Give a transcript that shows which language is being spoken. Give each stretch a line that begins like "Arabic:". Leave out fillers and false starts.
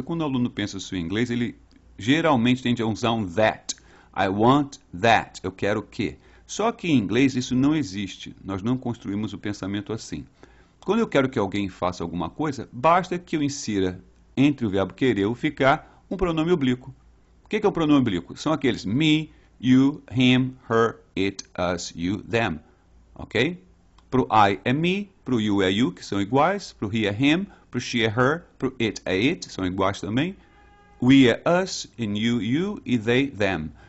Portuguese: Quando o aluno pensa seu inglês, ele geralmente tende a usar um that.
English: I want that.
Portuguese: Eu quero que. Só que em inglês isso não existe. Nós não construímos o pensamento assim. Quando eu quero que alguém faça alguma coisa, basta que eu insira entre o verbo querer ou ficar um pronome oblíquo. O que é o pronome oblíquo? São aqueles me, you, him, her, it, us, you, them. Ok? Pro I é me, pro you é you, que são iguais. Pro he é him, pro she é her, pro it é it, são iguais também. We é us, and you, you, e they, them.